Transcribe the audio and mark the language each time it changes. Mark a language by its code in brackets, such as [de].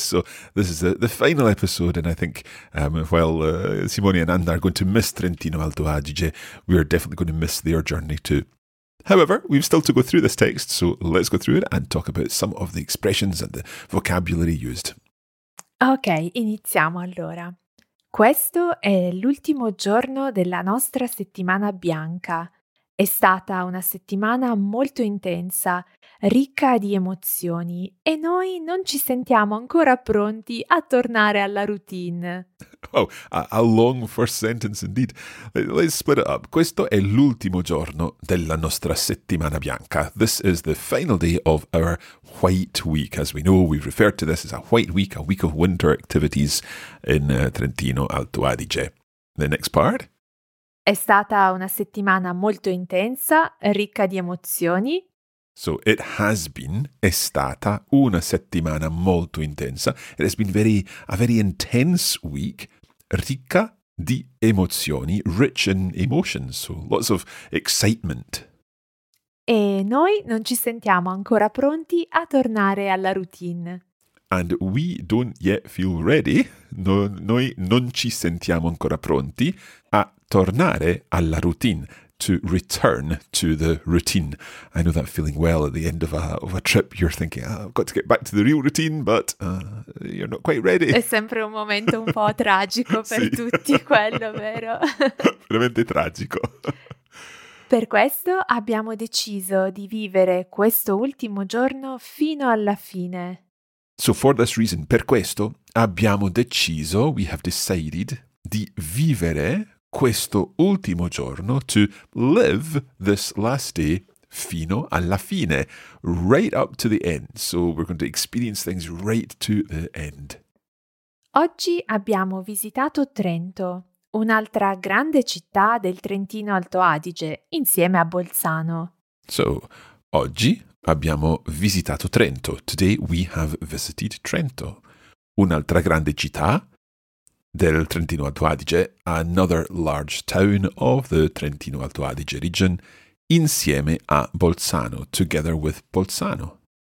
[en] So this is the final episode, and I think while Simone and Anna are going to miss Trentino Alto Adige, we are definitely going to miss their journey too. However, we've still to go through this text, so let's go through it and talk about some of the expressions and the vocabulary used. [it] Ok, iniziamo allora. Questo è l'ultimo giorno della nostra settimana bianca. È stata una settimana molto intensa, ricca di emozioni, e noi non ci sentiamo ancora pronti a tornare alla routine. [en] Oh, a long first sentence indeed. Let's split it up. [it] Questo è l'ultimo giorno della nostra settimana bianca. [en] This is the final day of our white week. As we know, we've referred to this as a white week, a week of winter activities in Trentino Alto Adige. The next part? [it] È stata una settimana molto intensa, ricca di emozioni. [en] So, it has been, [it] è stata una settimana molto intensa. [en] It has been a very intense week, [it] ricca di emozioni, [en] rich in emotions, so lots of excitement. [it] E noi non ci sentiamo ancora pronti a tornare alla routine. [en] And we don't yet feel ready, no, [it] noi non ci sentiamo ancora pronti a tornare alla routine, [en] to return to the routine. I know that feeling well at the end of a trip, you're thinking, oh, I've got to get back to the real routine, but you're not quite ready. [it] È sempre un momento un po' tragico per tutti, quello, vero? Veramente tragico. Per questo abbiamo deciso di vivere questo ultimo giorno fino alla fine. [en] So for this reason, [it] per questo, abbiamo deciso, [en] we have decided, [it] di vivere questo ultimo giorno, [en] to live this last day [it] fino alla fine, [en] right up to the end. So we're going to experience things right to the end. [it] Oggi abbiamo visitato Trento, un'altra grande città del Trentino Alto Adige, insieme a Bolzano. So, oggi abbiamo visitato Trento. [en] Today we have visited Trento. [it] Un'altra grande città del Trentino Alto Adige, [en] another large town of the Trentino Alto Adige region, [it] insieme a Bolzano, [en] together with Bolzano.